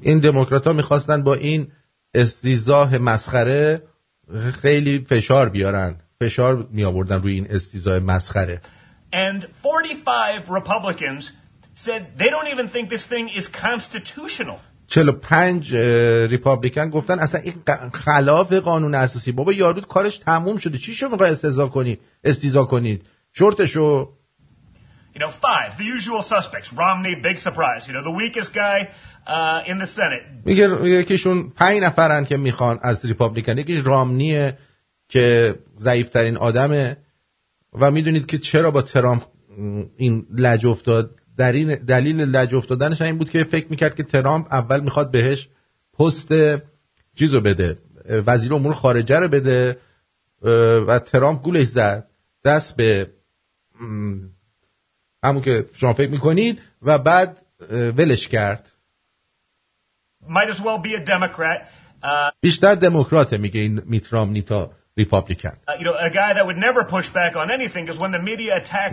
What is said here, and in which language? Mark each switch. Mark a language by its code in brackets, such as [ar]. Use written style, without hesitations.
[fa] این دموکرات ها میخواستن با این استیضاح مسخره خیلی فشار بیارن، فشار می آوردن روی این استیضاح مسخره. [en] And 45 Republicans said they don't even think this thing is constitutional. [fa] 45 ریپابلیکن گفتن اصلا این خلاف قانون اساسی. بابا یارود کارش تموم شده، چی شو میخوای استیضاح کنید شورتشو. [en] You know, five, the usual suspects. Romney, big surprise. You know, the weakest guy in the Senate. [fa] میگه یکیشون پنج نفرن که میخوان از ریپابلیکن. یکیش رامنیه که ضعیفترین آدمه. و میدونید که چرا با ترامپ این لج افتاد؟ در این دلیل لج افتادنش این بود که فکر میکرد که ترامپ اول میخواد بهش پست چیزو بده، وزیر امور خارجه رو بده، و ترامپ گولش زد دست به همون که شما فکر میکنید و بعد ولش کرد. [en] Might as well be a Democrat. [fa] بیشتر دموکراته میگه این میت رامنی تا ریپابلیکن. [en] You know, a guy that would never push back on anything is when the media attacks.